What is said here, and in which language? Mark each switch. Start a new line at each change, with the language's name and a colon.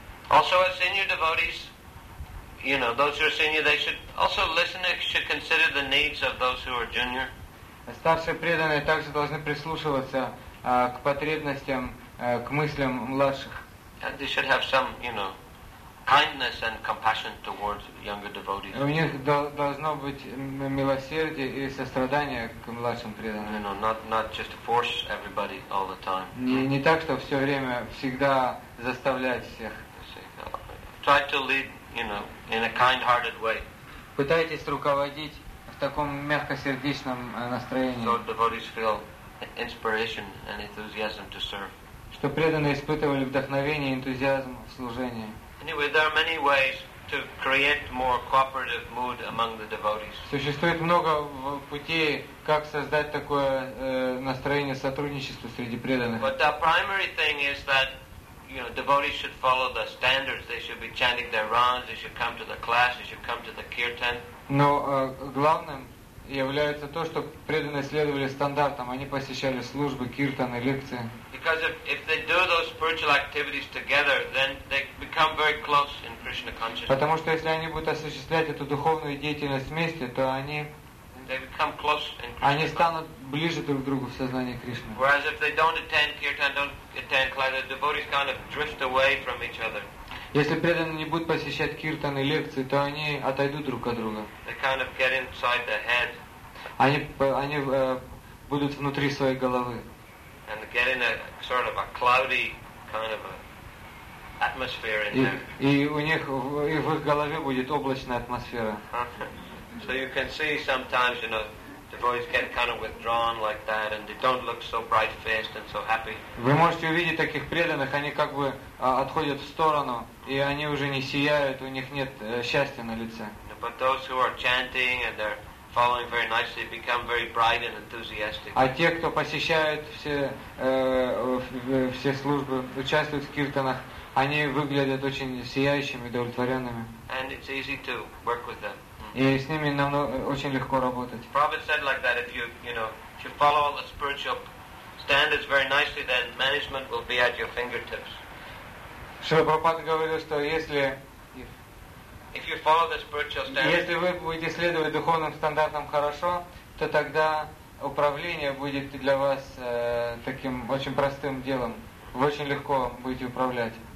English: Also, as senior devotees, you know, those who are senior, they should also listen and should consider the needs of those who are junior.
Russian: Старшие преданные также должны прислушиваться к потребностям, к мыслям младших.
English: And they should have some, you know, kindness and compassion towards younger devotees.
Russian: У них должно быть милосердие и сострадание к младшим преданным.
English: You know, not just force everybody all the time.
Russian: Не так, что все время всегда заставлять всех.
English: Try to lead, you know, in a kind-hearted way.
Russian: Пытайтесь руководить в таком мягкосердечном настроении.
English: So devotees feel inspiration and enthusiasm to serve.
Russian: Что преданные испытывали вдохновение и энтузиазм в служении.
English: Anyway, there are many ways to create more cooperative mood among the devotees.
Russian: Существует много путей, как создать такое настроение сотрудничества среди преданных.
English: But the primary thing is that, you know, devotees should follow the standards. They should be chanting their rounds. They should come to the class. They should come to the kirtan.
Russian: Но главным является то, что преданные следовали стандартам. Они посещали службы, киртаны, лекции.
English: Because if they do those spiritual activities together, then they become very close in Krishna consciousness.
Russian: Потому что если они будут осуществлять эту духовную деятельность вместе, то они
English: they become close in Krishna.
Russian: Они станут ближе друг к другу в сознании Кришны.
English: Whereas if they don't attend kirtan, don't attend class, the devotees kind of drift away from each other.
Russian: Если преданные не будут посещать киртаны и лекции, то они отойдут друг от друга.
English: They kind of get inside their head.
Russian: Они будут внутри своей головы.
English: And get in a sort of a cloudy kind of a atmosphere in there.
Russian: И у них и в их голове будет облачная атмосфера.
English: So you can see sometimes, you know, devotees get kind of withdrawn like that, and they don't look so bright-faced and so happy.
Russian: Вы можете увидеть таких преданных, они как бы отходят в сторону, и они уже не сияют, у них нет счастья на лице.
English: But those who are chanting and they're following very nicely become very bright and enthusiastic.
Russian: А те, кто посещают все службы, участвуют в киртанах, они выглядят очень сияющими, удовлетворенными.
English: And it's easy to work with them.
Russian: И с ними нам очень легко работать.
English: Prabhupada said like that, if you follow all the spiritual standards very nicely, then management will be at your fingertips.
Russian: Шрила Прабхупада говорил, что если
English: if you follow the spiritual standards,
Russian: если вы будете следовать духовным стандартам хорошо, то тогда управление будет для вас таким очень простым делом. Вы очень легко будете управлять.